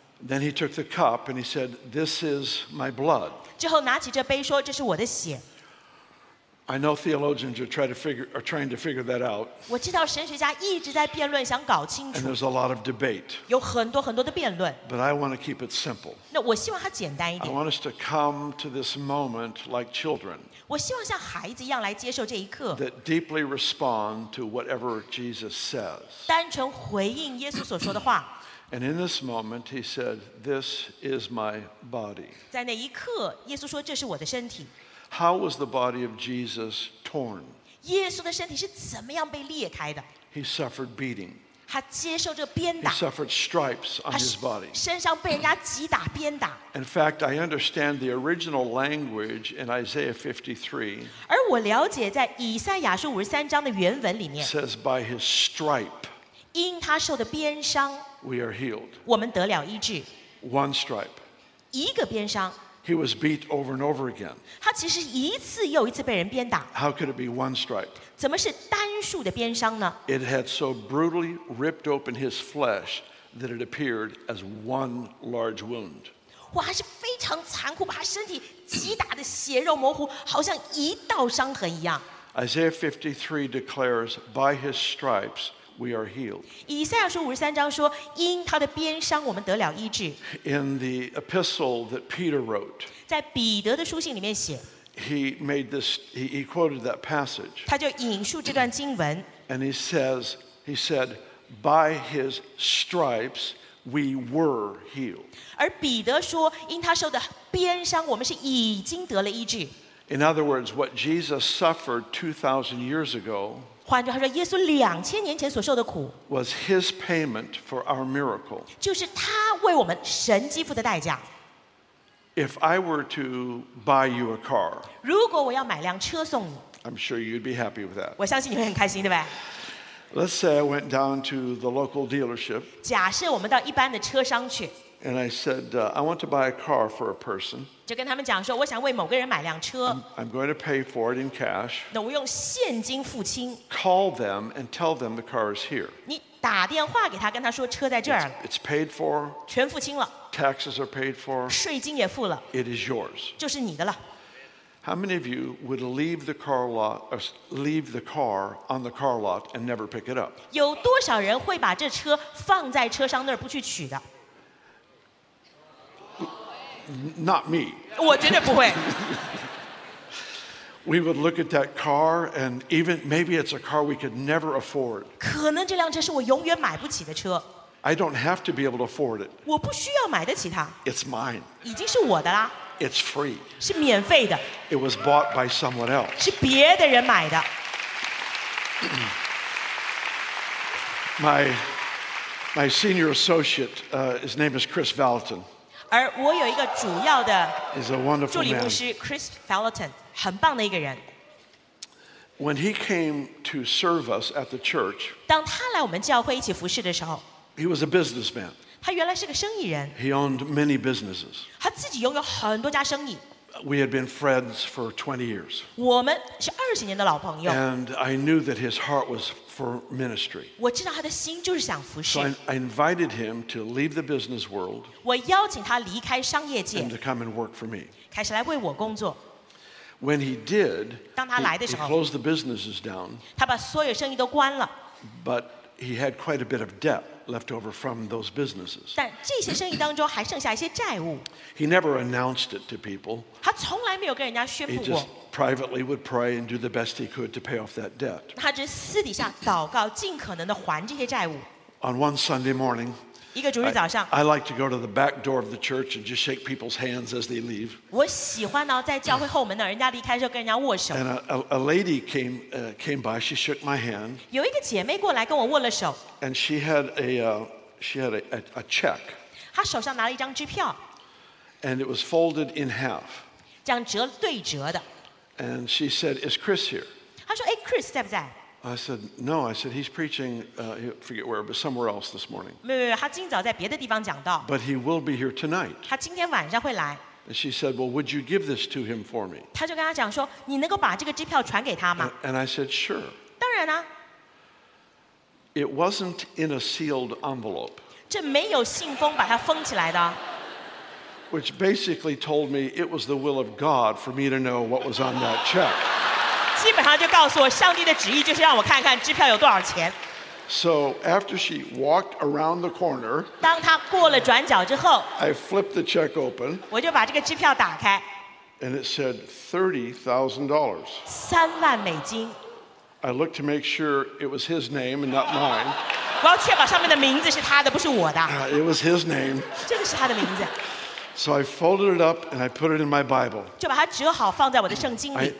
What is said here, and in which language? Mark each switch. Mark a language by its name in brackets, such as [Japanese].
[English] Then he took the cup and he said, this is my blood. [Chinese] 之后拿起这杯说, 这是我的血。 [English] I know theologians are trying to figure that out. [Chinese] 我知道神学家一直在辩论，想搞清楚。 [English] And there's a lot of debate. [Chinese] 有很多很多的辩论。 [English] But I want to keep it simple. [Chinese] 那我希望它简单一点。 [English] I want us to come to this moment like children. [Chinese] 我希望像孩子一样来接受这一刻。 [English] That deeply respond to whatever Jesus says. [Chinese] 单纯回应耶稣所说的话。 [English] And in this moment, he said, "This is my body." [Chinese] 在那一刻，耶稣说，这是我的身体。 [English] How was the body of Jesus torn? [Chinese] 耶稣的身体是怎么样被裂开的？ [English] He suffered beating. [Chinese] 他接受这个鞭打。 [English] He suffered stripes on his body. [Chinese] 身上被人家击打、鞭打。 [English] In fact, I understand the original language in Isaiah 53. [Chinese] 而我了解在以赛亚书五十三章的原文里面。 [English] Says by his stripe. [Chinese] 因他受的鞭伤。 [English] We are healed. [Chinese] 我们得了医治。 [English] One stripe. [Chinese] 一个鞭伤。 [English] He was beat over and over again. [Chinese] 他其实一次又一次被人鞭打。 [English] How could it be one stripe? [Chinese] 怎么是单数的鞭伤呢？ [English] It had so brutally ripped open his flesh that it appeared as one large wound. [Chinese] 哇，是非常残酷，把他身体击打的血肉模糊，好像一道伤痕一样。 [English] Isaiah 53 declares, "By his stripes." We are healed. [Chinese] 以赛亚书五十三章说，因他的鞭伤，我们得了医治。 [English] In the epistle that Peter wrote, [Chinese] 在彼得的书信里面写， [English] he made this. He quoted that passage. [Chinese] 他就引述这段经文。 [English] And he says, he said, by his stripes we were healed. [Chinese] 而彼得说，因他受的鞭伤，我们是已经得了医治。 [English] In other words, what Jesus suffered 2,000 years ago. [Chinese] 换句话说，耶稣两千年前所受的苦 [English] ，was his payment for our miracle， [Chinese] 就是他为我们神迹付的代价。 [English] If I were to buy you a car， [Chinese] 如果我要买辆车送你 [English] ，I'm sure you'd be happy with that。 [Chinese] 我相信你会很开心，对吧 [English] ？Let's say I went down to the local dealership。 [Chinese] 假设我们到一般的车商去 [English] ，and I said I want to buy a car for a person。 [Chinese] 就跟他们讲说，我想为某个人买辆车。 [English] I'm going to pay for it in cash. [Chinese] 那我用现金付清。 [English] Call them and tell them the car is here. [Chinese] 你打电话给他，跟他说车在这儿。 [English] It's paid for. [Chinese] 全付清了。 [English] Taxes are paid for. [Chinese] 税金也付了。 [English] It is yours. [Chinese] 就是你的了。 [English] How many of you would leave the car on the car lot and never pick it up? [Chinese] 有多少人会把这车放在车商那儿不去取的？ [English] Not me. [Chinese] 我绝对不会。 [English] We would look at that car, and even maybe it's a car we could never afford. [Chinese] 可能这辆车是我永远买不起的车。 [English] I don't have to be able to afford it. [Chinese] 我不需要买得起它。 [English] It's mine. [Chinese] 已经是我的啦。 [English] It's free. [Chinese] 是免费的。 [English] It was bought by someone else. [Chinese] 是别的人买的。 [English] My senior associate, his name is Chris Valentin. He's a wonderful man. [Chinese] Chris Valentin, 很棒的一个人。 [English] When he came to serve us at the church, [Chinese] 当他来我们教会一起服侍的时候， [English] he was a businessman. [Chinese] 他原来是个生意人。 [English] He owned many businesses. [Chinese] 他自己拥有很多家生意。 [English] We had been friends for 20 years. [Chinese] 我们是二十年的老朋友。 [English] And I knew that his heart was for ministry. [Chinese] 我知道他的心就是想服侍。 [English] So I invited him to leave the business world. [Chinese] 我邀请他离开商业界。 [English] And to come and work for me. [Chinese] 开始来为我工作。 [English] When he did, [Chinese] 当他来的时候， [English] he closed the businesses down. [Chinese] 他把所有生意都关了。 [English] But he had quite a bit of debt left over from those businesses. [Chinese] 但这些生意当中还剩下一些债务。 [English] He never announced it to people. [Chinese] 他从来没有跟人家宣布过。 [English] He just privately would pray and do the best he could to pay off that debt. [Chinese] 他只私底下祷告，尽可能的还这些债务。 [English] On one Sunday morning, [Chinese] 一个主日早上， [English] I like to go to the back door of the church and just shake people's hands as they leave. [Chinese] 我喜欢呢在教会后门那人家离开的时候跟人家握手。 [English] And a lady came by. She shook my hand. [Chinese] 有一个姐妹过来跟我握了手。 [English] And she had a check. [Chinese] 她手上拿了一张支票。 [English] And it was folded in half. [Chinese] 这样折对折的。 [English] And she said, "Is Chris here?" [Chinese] 她说，哎 ，Chris 在不在？ [English] I said no. I said he's preaching. Forget where, but somewhere else this morning. [Chinese] 没有，他今早在别的地方讲道。 [English] But he will be here tonight. [Chinese] 他今天晚上会来。 [English] And she said, "Well, would you give this to him for me?" [Chinese] 他就跟他讲说，你能够把这个支票传给他吗 [English] ？And I said, "Sure." [Chinese] 当然啊。 [English] It wasn't in a sealed envelope. [Chinese] 这没有信封把它封起来的。 [English] Which basically told me it was the will of God for me to know what was on that check. [Chinese] 基本上就告诉我，上帝的旨意就是让我看看支票有多少钱。 [English] So after she walked around the corner, [Chinese] 当她过了转角之后， [English] I flipped the check open, [Chinese] 我就把这个支票打开， [English] and it said $30,000. [Chinese] 三万美金。 [English] I looked to make sure it was his name and not mine. [Chinese] 我要确保上面的名字是他的，不是我的。 [English] It was his name. [Chinese] 这个是他的名字。 [English] So I folded it up and I put it in my Bible. [Chinese] 就把它折好放在我的圣经里。